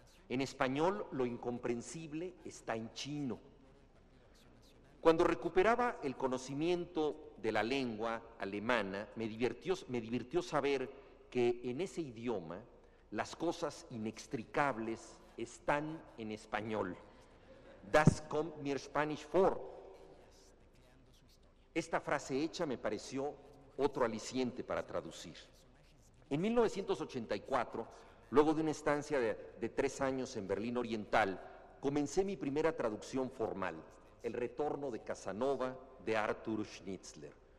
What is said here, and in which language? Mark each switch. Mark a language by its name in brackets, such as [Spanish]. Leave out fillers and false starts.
[Spanish] En español, lo incomprensible está en chino. Cuando recuperaba el conocimiento de la lengua alemana, me divirtió saber que en ese idioma las cosas inextricables están en español. [German] Das kommt mir Spanisch vor. [Spanish] Esta frase hecha me pareció otro aliciente para traducir. En 1984, luego de una estancia de 3 años en Berlín Oriental, comencé mi primera traducción formal, El retorno de Casanova, de Arthur Schnitzler.